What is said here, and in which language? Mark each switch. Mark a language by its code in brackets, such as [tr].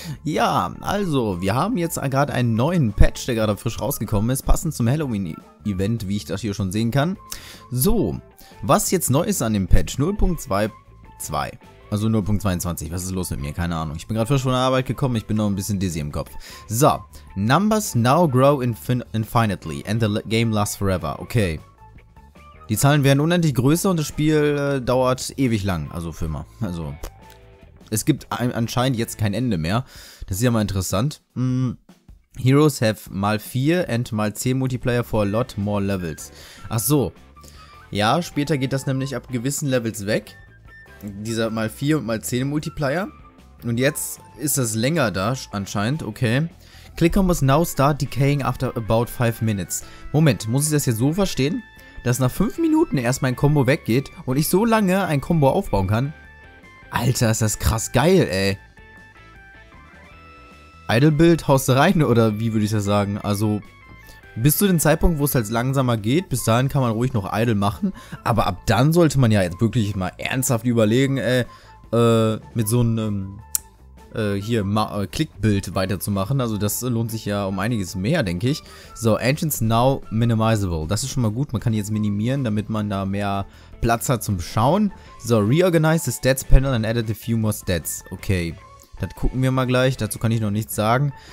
[de] Ja, also wir haben jetzt gerade einen neuen Patch, der gerade frisch rausgekommen ist, passend zum Halloween-Event, wie ich das hier schon sehen kann. So, was jetzt neu ist an dem Patch 0.22, also 0.22, was ist los mit mir, keine Ahnung. Ich bin gerade frisch von der Arbeit gekommen, ich bin noch ein bisschen dizzy im Kopf. So. [en] Numbers now grow infinitely and the game lasts forever. Okay. [de] Die Zahlen werden unendlich größer und das Spiel dauert ewig lang. Also für immer. Also. Es gibt anscheinend jetzt kein Ende mehr. Das ist ja mal interessant. [en] Heroes have [de] mal [en] 4 and mal 10 Multiplayer for a lot more levels. [de] Ach so. Ja, später geht das nämlich ab gewissen Levels weg. Dieser mal 4 und mal 10 Multiplayer. Und jetzt ist das länger da anscheinend. Okay. [en] Clicker must now start decaying after about 5 minutes. [de] Moment, muss ich das jetzt so verstehen, dass nach 5 Minuten erst mein Combo weggeht und ich so lange ein Combo aufbauen kann? Alter, ist das krass geil, ey. Idle Build haust du rein, oder wie würde ich das sagen? Also, bis zu dem Zeitpunkt, wo es halt langsamer geht, bis dahin kann man ruhig noch Idle machen. Aber ab dann sollte man ja jetzt wirklich mal ernsthaft überlegen, ey, mit so einem Clickbild weiterzumachen. Also das lohnt sich ja um einiges mehr, denke ich. So, [en] Engines now minimizable. [de] Das ist schon mal gut. Man kann jetzt minimieren, damit man da mehr Platz hat zum Schauen. [en] So, reorganize the stats panel and added a few more stats. Okay. [de] Das gucken wir mal gleich. Dazu kann ich noch nichts sagen.